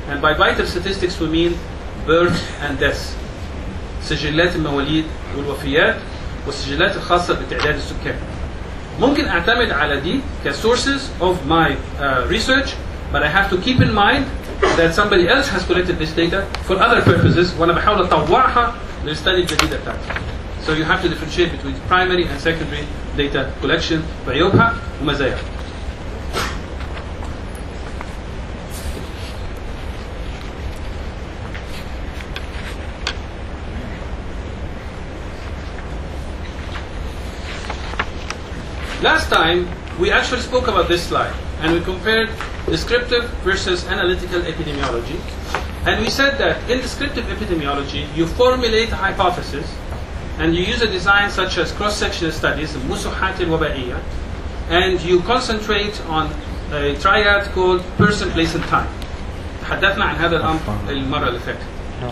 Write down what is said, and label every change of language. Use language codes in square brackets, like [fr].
[en] And by vital statistics we mean births and deaths. [ar] سجلات المواليد والوفيات والسجلات الخاصة بتعداد السكان. ممكن أعتمد على دي ك [en] sources of my research. But I have to keep in mind that somebody else has collected this data for other purposes. [ar] وأنا بحاول أطوعها للستدي الجديدة بتاعتي. [en] So you have to differentiate between primary and secondary data collection [ar] بعيوبها ومزاياها. [en] Last time we actually spoke about this slide, and we compared descriptive versus analytical epidemiology. And we said that in descriptive epidemiology, you formulate a hypothesis, and you use a design such as cross-sectional studies, musuhat al-waba'iyya, and you concentrate on a triad called person, place, and time. [ar] حدثنا عن هذا الأمر المرة اللي فاتت.